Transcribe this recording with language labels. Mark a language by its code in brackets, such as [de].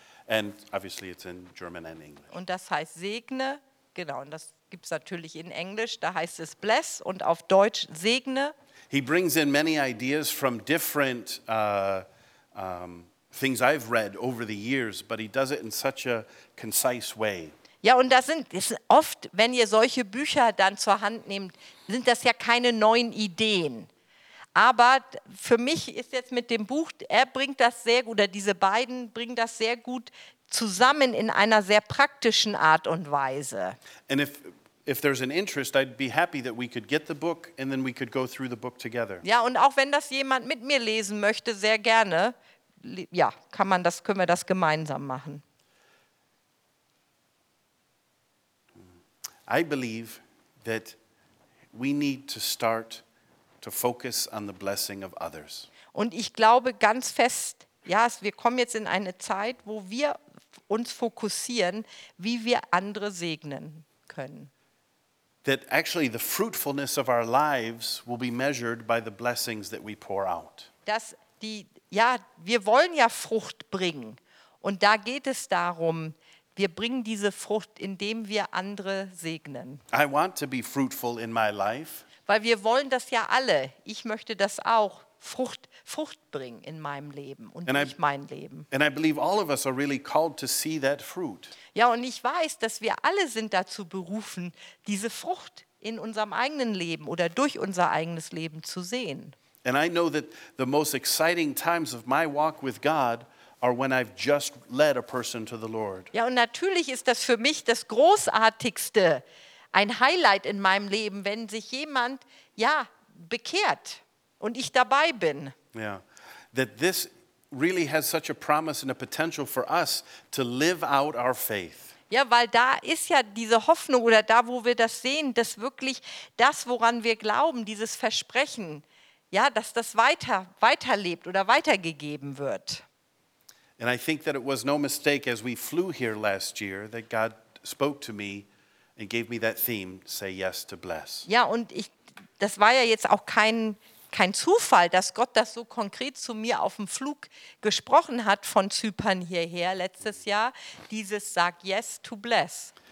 [en] And obviously it's in German and English. [de] Und das heißt Segne, genau, und das gibt's natürlich in Englisch, da heißt es Bless und auf Deutsch Segne. [en] He brings in many ideas from different things I've read over the years, but he does it in such a concise way. [de] Ja, und das sind oft, wenn ihr solche Bücher dann zur Hand nehmt, sind das ja keine neuen Ideen. Aber für mich ist jetzt mit dem Buch, er bringt das sehr gut, oder diese beiden bringen das sehr gut zusammen in einer sehr praktischen Art und Weise. [en] And if there's an interest, I'd be happy that we could get the book and then we could go through the book together. [de] Ja, und auch wenn das jemand mit mir lesen möchte, sehr gerne, ja, können wir das gemeinsam machen. [en] I believe that we need to start to focus on the blessing of others. [de] Und ich glaube ganz fest, ja, wir kommen jetzt in eine Zeit, wo wir uns fokussieren, wie wir andere segnen können. [en] That actually the fruitfulness of our lives will be measured by the blessings that we pour out. [de] Dass die, ja, wir wollen ja Frucht bringen, und da geht es darum, wir bringen diese Frucht, indem wir andere segnen. [en] I want to be fruitful in my life. [de] Weil wir wollen das ja alle. Ich möchte das auch, Frucht bringen in meinem Leben und nicht mein Leben. [en] And I believe all of us are really called to see that fruit. [de] Ja, und ich weiß, dass wir alle sind dazu berufen, diese Frucht in unserem eigenen Leben oder durch unser eigenes Leben zu sehen. [en] And I know that the most exciting times of my walk with God or when I've just led a person to the Lord. [de] Ja, und natürlich ist das für mich das Großartigste, ein Highlight in meinem Leben, wenn sich jemand, ja, bekehrt und ich dabei bin. [en] Yeah, that this really has such a promise and a potential for us to live out our faith. [de] Ja, weil da ist ja diese Hoffnung oder da, wo wir das sehen, dass wirklich das, woran wir glauben, dieses Versprechen, ja, dass das weiterlebt oder weitergegeben wird. [en] And I think that it was no mistake as we flew here last year that God spoke to me and gave me that theme, say yes to bless. [de] Ja, und ich, das war ja jetzt auch kein Zufall, dass Gott das so konkret zu mir auf dem Flug gesprochen hat von Zypern hierher letztes Jahr, dieses sag [en] yes to bless.